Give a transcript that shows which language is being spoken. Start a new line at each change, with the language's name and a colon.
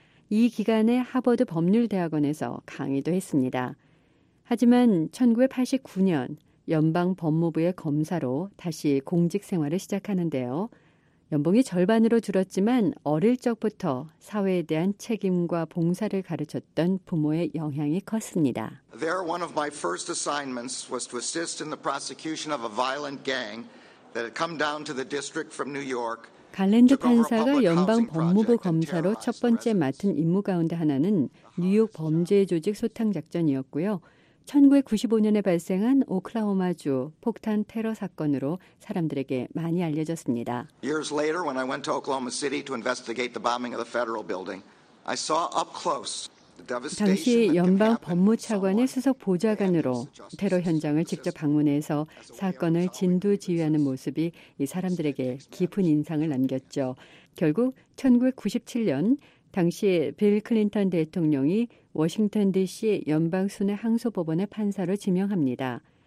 Korean: 이 기간에 하버드 법률대학원에서 강의도 했습니다. 하지만 1989년 연방 법무부의 검사로 다시 공직 생활을 시작하는데요. 연봉이 절반으로 줄었지만 어릴 적부터 사회에 대한 책임과 봉사를 가르쳤던 부모의 영향이 컸습니다.
English: There, one of my first assignments was to assist in the prosecution of a violent gang that had come down to the district from New York.
Korean: 갈랜드 판사가 연방 법무부 검사로 첫 번째 맡은 임무 가운데 하나는 뉴욕 범죄 조직 소탕 작전이었고요. 1995년에 발생한 오클라호마주 폭탄 테러 사건으로 사람들에게 많이 알려졌습니다.
English: Years later, when I went to Oklahoma City to investigate the bombing of the federal building, I saw up close the devastation.
Korean: 당시 연방 법무차관의 수석 보좌관으로 테러 현장을 직접 방문해서 사건을 진두지휘하는 모습이 이 사람들에게 깊은 인상을 남겼죠. 결국 1997년 당시 빌 클린턴 대통령이 워싱턴 DC 연방순회 항소법원의 판사로 지명합니다.